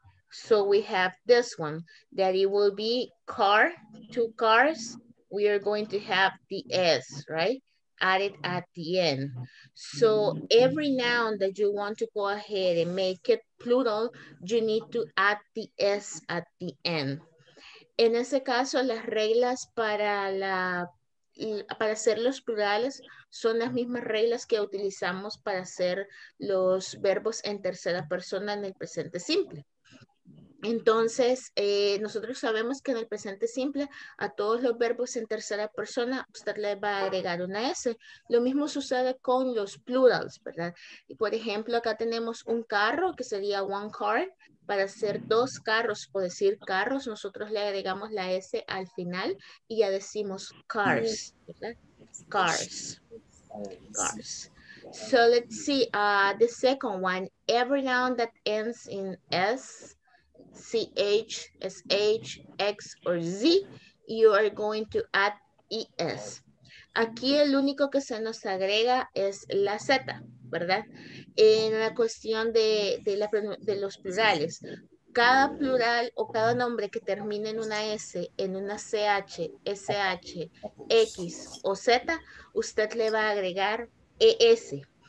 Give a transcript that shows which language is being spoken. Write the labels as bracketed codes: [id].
[en] So we have this one, that it will be car, two cars. We are going to have the S, right? Added at the end. So every noun that you want to go ahead and make it plural, you need to add the S at the end. [es] En ese caso, las reglas para, para hacer los plurales son las mismas reglas que utilizamos para hacer los verbos en tercera persona en el presente simple. Entonces, nosotros sabemos que en el presente simple, a todos los verbos en tercera persona, usted le va a agregar una S. Lo mismo sucede con los plurals, ¿verdad? Y por ejemplo, acá tenemos un carro, que sería [en] one car. [es] Para hacer dos carros o decir carros, nosotros le agregamos la S al final y ya decimos cars, ¿verdad? Cars. [en] cars. So let's see, the second one, every noun that ends in S, CH, SH, X, or Z, you are going to add ES. [es] Aquí el único que se nos agrega es la Z, ¿verdad? En la cuestión de los plurales, cada plural o cada nombre que termine en una S, en una CH, SH, X o Z, usted le va a agregar ES.